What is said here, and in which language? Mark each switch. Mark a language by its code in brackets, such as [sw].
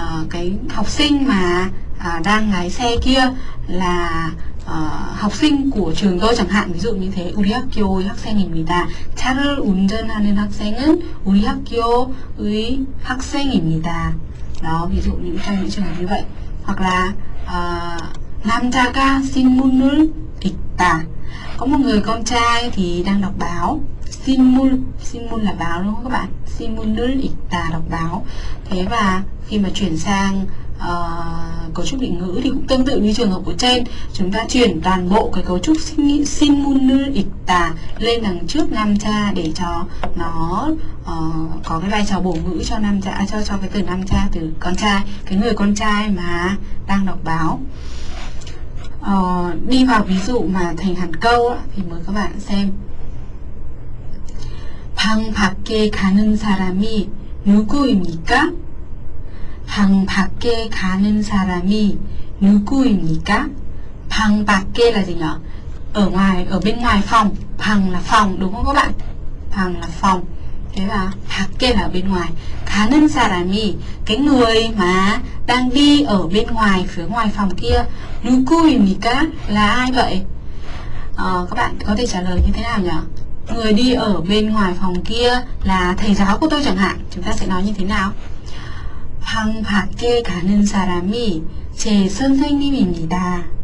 [vi] Cái học sinh mà đang lái xe kia là học sinh của trường tôi chẳng hạn, ví dụ như thế. [ko] 우리 학교의 학생입니다. 차를 운전하는 학생은 우리 학교의 학생입니다. [vi] Đó, ví dụ như trong những trường hợp như vậy. Hoặc là [ko] 남자가 신문을 읽다. [vi] Có một người con trai thì đang đọc báo. Shinmun là báo đúng không các bạn? Shinmun là đọc báo. Thế và khi mà chuyển sang cấu trúc định ngữ thì cũng tương tự như trường hợp của trên, chúng ta chuyển toàn bộ cái cấu trúc Shinmun lên đằng trước nam cha để cho nó có cái vai trò bổ ngữ cho nam cha, cho cái từ nam cha, từ con trai, cái người con trai mà đang đọc báo. Đi vào ví dụ mà thành hẳn câu thì mời các bạn xem. [ko] 방 밖에 가는 사람이 누구입니까? 방 밖에 가는 사람이 누구입니까? [vi] 방 밖에 là gì nhỉ? Ở ngoài, ở bên ngoài phòng. 방 là phòng đúng không các bạn? 방 là phòng. Thế là 밖에 là bên ngoài. [ko] 가는 사람이, [vi] cái người mà đang đi ở bên ngoài, phía ngoài phòng kia, [ko] 누구입니까? [vi] Là ai vậy? Các bạn có thể trả lời như thế nào nhỉ? Người đi ở bên ngoài phòng kia là thầy giáo của tôi chẳng hạn, chúng ta sẽ nói như thế nào? [ko] 방 밖에 가는 사람이 제 선생님입니다.